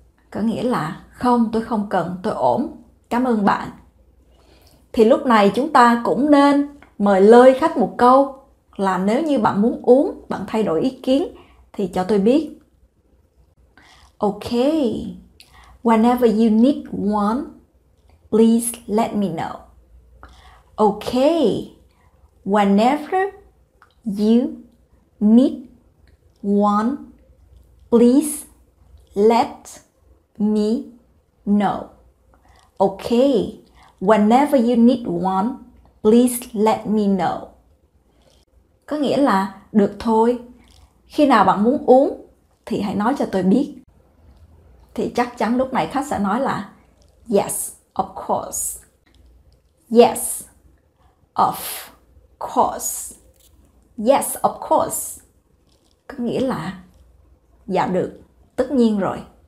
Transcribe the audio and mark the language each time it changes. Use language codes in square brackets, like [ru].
[vi] Có nghĩa là không, tôi không cần, tôi ổn. Cảm ơn bạn. Thì lúc này chúng ta cũng nên mời lơi khách một câu là nếu như bạn muốn uống, bạn thay đổi ý kiến thì cho tôi biết. [en] Okay. Whenever you need one, please let me know. Okay. Whenever you need one, please let me know. Okay. Whenever you need one, please let me know. [vi] Có nghĩa là được thôi. Khi nào bạn muốn uống thì hãy nói cho tôi biết. Thì chắc chắn lúc này khách sẽ nói là [en] Yes, of course. Yes, of course. Yes, of course. [vi] Có nghĩa là dạ được, tất nhiên rồi.